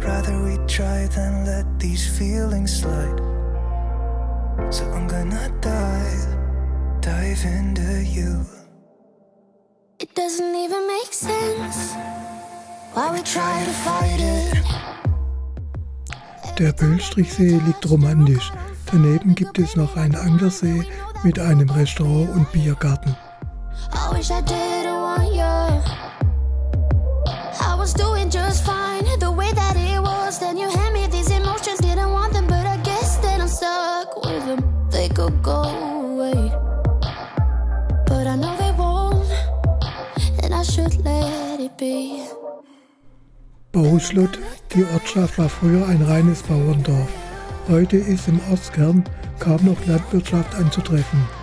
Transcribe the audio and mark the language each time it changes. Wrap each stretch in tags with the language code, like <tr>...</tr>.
<en>Rather we try than let these feelings slide. So I'm gonna dive into you. It doesn't even make sense why we try to fight it.</en> <de>Der Böllstrichsee liegt romantisch. Daneben gibt es noch einen Anglersee mit einem Restaurant und Biergarten.</de> <en>I wish I did a one year. I was doing just fine the way that it was. Then you hand me these emotions, didn't want them, but I guess that I'm stuck with them. They could go away, but I know they won't, and I should let it be.</en> <de>Bohuslut, die Ortschaft war früher ein reines Bauerndorf. Heute ist im Ortskern kaum noch Landwirtschaft anzutreffen.</de>